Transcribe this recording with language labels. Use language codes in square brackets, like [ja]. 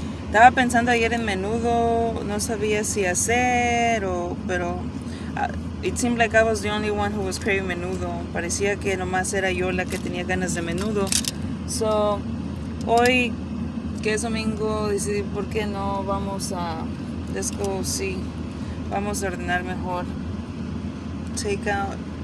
[es] Estaba pensando ayer en menudo, no sabía si hacer o, pero... [en] It seemed like I was the only one who was craving menudo. [es] Parecía que nomás era yo la que tenía ganas de menudo. So, hoy, que es domingo, decidí por qué no vamos a... [en] Let's go, [es] sí. Vamos a ordenar mejor. [en] Take out.